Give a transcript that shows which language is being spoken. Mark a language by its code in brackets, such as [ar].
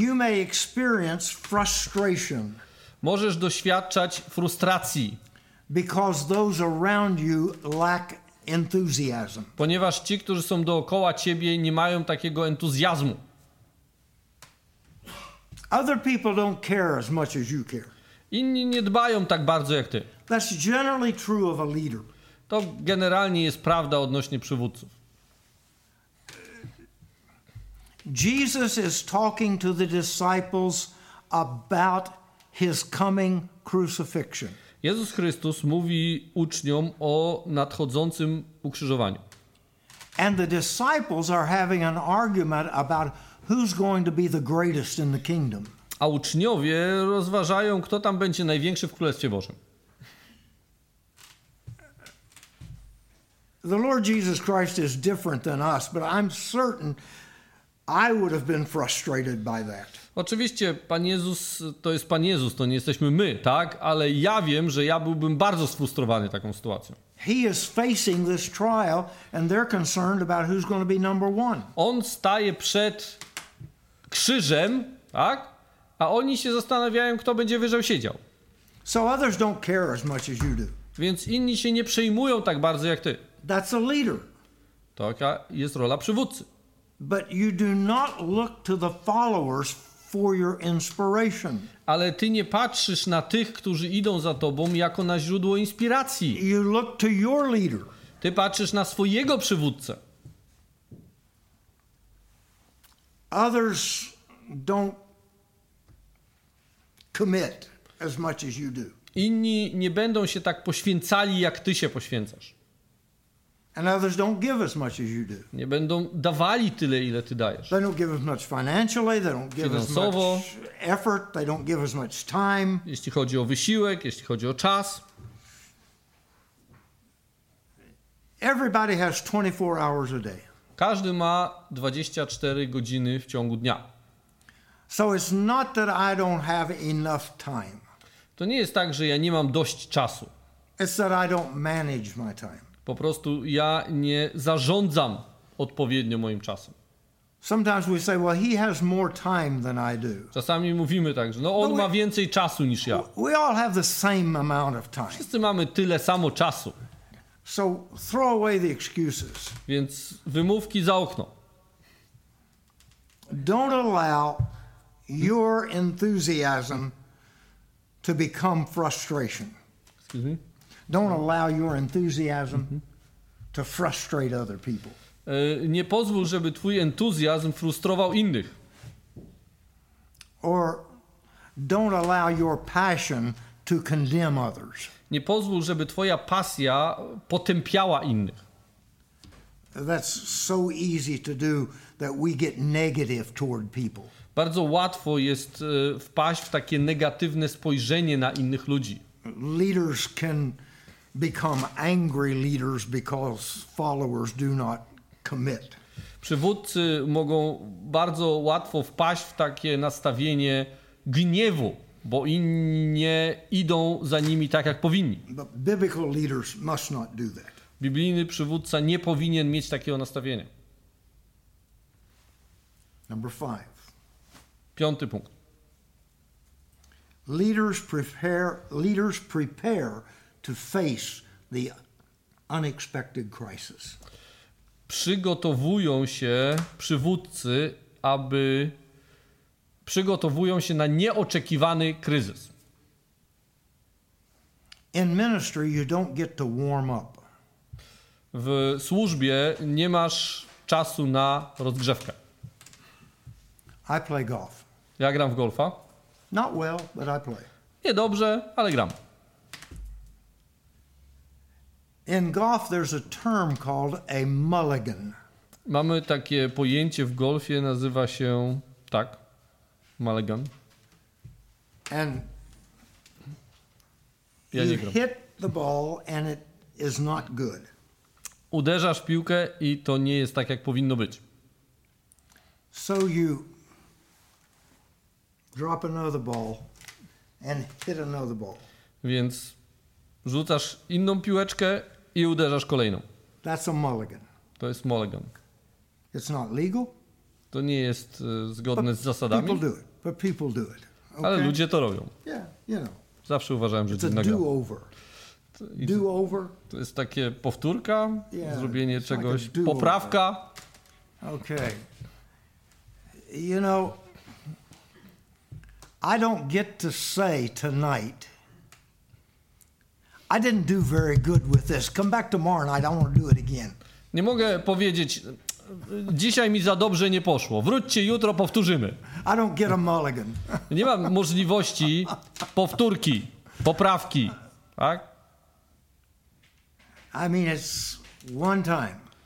[en] You may experience frustration. [pl] Możesz doświadczać frustracji. [en] Because those around you lack enthusiasm. [pl] Ponieważ ci, którzy są dookoła ciebie, nie mają takiego entuzjazmu. [en] Other people don't care as much as you care. [pl] Inni nie dbają tak bardzo jak ty. [en] That's generally true of a leader. [pl] To generalnie jest prawda odnośnie przywódców. [en] Jesus is talking to the disciples about his coming crucifixion. [pl] Jezus Chrystus mówi uczniom o nadchodzącym ukrzyżowaniu. [en] And the disciples are having an argument about who's going to be the greatest in the kingdom. [pl] A uczniowie rozważają, kto tam będzie największy w Królestwie Bożym. [en] The Lord Jesus Christ is different than us, but I'm certain I would have been frustrated by that. [pl] Oczywiście, Pan Jezus to jest Pan Jezus, to nie jesteśmy my, tak? Ale ja wiem, że ja byłbym bardzo sfrustrowany taką sytuacją. [en] He is facing this trial and they're concerned about who's going to be number one. [pl] On staje przed krzyżem, tak? A oni się zastanawiają, kto będzie wyżej siedział. [en] So others don't care as much as you do. [pl] Więc inni się nie przejmują tak bardzo jak ty. [en] That's a leader. [pl] Taka jest rola przywódcy. [en] But you do not look to the followers for your inspiration. [pl] Ale ty nie patrzysz na tych, którzy idą za tobą, jako na źródło inspiracji. [en] You look to your leader. [pl] Ty patrzysz na swojego przywódcę. [en] Others don't commit as much as you do. [pl] Inni nie będą się tak poświęcali, jak ty się poświęcasz. [en] And others don't give as much as you do. [pl] Nie będą dawali tyle, ile ty dajesz. [en] They don't give as much financially, they don't give as much effort, they don't give as much time. [pl] Jeśli chodzi o wysiłek, jeśli chodzi o czas. [en] Everybody has 24 hours a day. [pl] Każdy ma 24 godziny w ciągu dnia. [en] So it's not that I don't have enough time. [pl] To nie jest tak, że ja nie mam dość czasu. [en] It's that I don't manage my time. [pl] Po prostu ja nie zarządzam odpowiednio moim czasem. [en] Sometimes we say, well, he has more time than I do. [pl] Czasami mówimy tak, że no on ma więcej czasu niż ja. [en] We all have the same amount of time. [pl] Wszyscy mamy tyle samo czasu. [en] So throw away the excuses. [pl] Więc wymówki za okno. [en] Don't allow your enthusiasm to become frustration. Excuse me? Don't allow your enthusiasm to frustrate other people. [pl] Nie pozwól, żeby twój entuzjazm frustrował innych. [en] Or don't allow your passion to condemn others. [pl] Nie pozwól, żeby twoja pasja potępiała innych. [en] That's so easy to do that we get negative toward people. [pl] Bardzo łatwo jest wpaść w takie negatywne spojrzenie na innych ludzi. [en] Leaders can become angry leaders because followers do not commit. [pl] Przywódcy mogą bardzo łatwo wpaść w takie nastawienie gniewu, bo inni nie idą za nimi tak, jak powinni. [en] But biblical leaders must not do that. [pl] Biblijny przywódca nie powinien mieć takiego nastawienia. [en] Number five. [pl] Piąty punkt. [en] Leaders prepare to face the unexpected crisis. [pl] Przygotowują się przywódcy, aby przygotowują się na nieoczekiwany kryzys. [en] In ministry you don't get to warm up. [pl] W służbie nie masz czasu na rozgrzewkę. [en] I play golf. [pl] Ja gram w golfa. [en] Not well, but I play. [pl] Nie dobrze, ale gram. [en] In golf there's a term called a mulligan. [pl] Mamy takie pojęcie w golfie, nazywa się tak, mulligan. [en] And [pl] ja [en] you hit the ball and it is not good. [pl] Uderzasz piłkę i to nie jest tak, jak powinno być. [en] So you drop another ball and hit another ball. [pl] Więc rzucasz inną piłeczkę i uderzasz kolejną. [en] That's a mulligan. [pl] To jest mulligan. [en] It's not legal. [pl] To nie jest zgodne [en] but [pl] z zasadami. [en] People do it. But people do it. [pl] Okay? Ale ludzie to robią. [en] Yeah, you know. [pl] Zawsze uważałem, że to jest do-over. Do-over. To jest takie powtórka, [en] yeah, [pl] zrobienie czegoś, [en] like [pl] poprawka. [en] Okay. You know, I don't get to say tonight. I didn't do very good with this. Come back tomorrow night. I don't want to do it again. [pl] Nie mogę powiedzieć, dzisiaj mi za dobrze nie poszło. Wróćcie jutro, powtórzymy. [en] I don't get a mulligan. [pl] Nie mam możliwości powtórki, poprawki, tak? [en] I mean, it's one time.